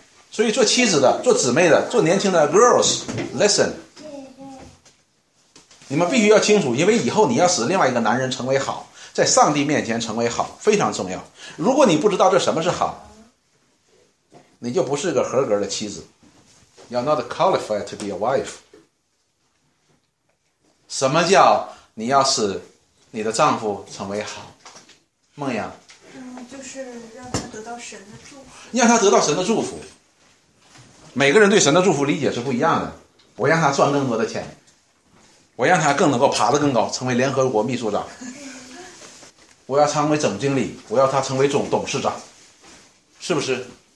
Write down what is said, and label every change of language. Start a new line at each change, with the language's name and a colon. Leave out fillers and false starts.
Chinese: 所以做妻子的，做姊妹的，做年轻的
English: girls listen，
Chinese: 你们必须要清楚，因为以后你要使另外一个男人成为好，在上帝面前成为好非常重要。如果你不知道这什么是好，你就不是个合格的妻子。
English: You're not qualified to be a wife。
Chinese: 什么叫你要使你的丈夫成为好？梦阳、就是让他得到神的祝福，让他得到神的祝福。每个人对神的祝福理解是不一样的，我让他赚更多的钱，我让他更能够爬得更高，成为联合国秘书长，我要成为总经理，我要他成为总董事长，是不是？